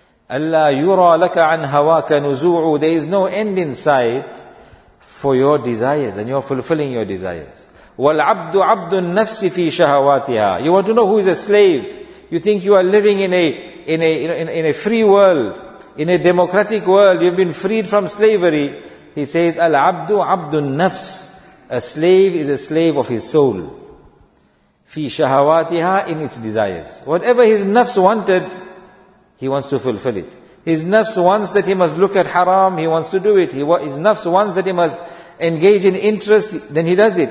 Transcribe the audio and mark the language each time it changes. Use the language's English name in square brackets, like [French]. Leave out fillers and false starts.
[Arabic] Allah yura laka an hawaka nuzu'u. [English] There is no end in sight for your desires and you're fulfilling your desires. [Arabic] وَالْعَبْدُ عَبْدُ النَّفْسِ فِي شَهَوَاتِهَا. [English] You want to know who is a slave. You think you are living in a free world, in a democratic world. You've been freed from slavery. He says, [Arabic] الْعَبْدُ عَبْدُ النَّفْسِ. [English] A slave is a slave of his soul. [Arabic] فِي شَهَوَاتِهَا. [English] In its desires. Whatever his nafs wanted, he wants to fulfill it. His nafs wants that he must look at haram, he wants to do it. His nafs wants that he must engage in interest, then he does it.